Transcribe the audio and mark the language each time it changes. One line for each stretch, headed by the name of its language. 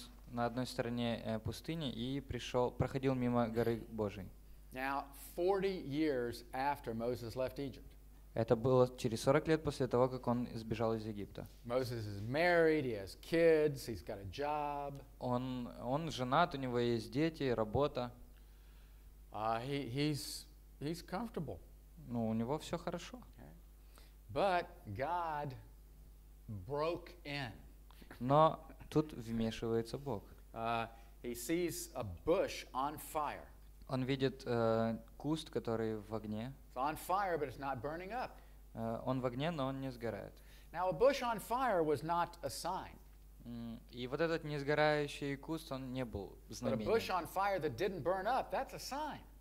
Russian: На одной стороне пустыни и проходил мимо горы Божьей.
English: Now, 40 years after Moses left Egypt.
Russian: Это было через 40 лет после того, как он сбежал из Египта.
English: Moses is married, he has kids, he's got a job.
Russian: Он женат, у него есть дети, работа.
English: He's comfortable.
Russian: Ну, у него все хорошо.
English: But God broke in.
Russian: Но тут вмешивается Бог.
English: He sees a bush on fire.
Russian: Он видит куст, который в огне.
English: It's on fire, but it's not burning up.
Russian: Он в огне, но он не сгорает.
English: Now a bush on fire was not a sign.
Russian: И вот этот не сгорающий куст, он не был знамением.
English: But a bush on fire that didn't burn up, that's a sign.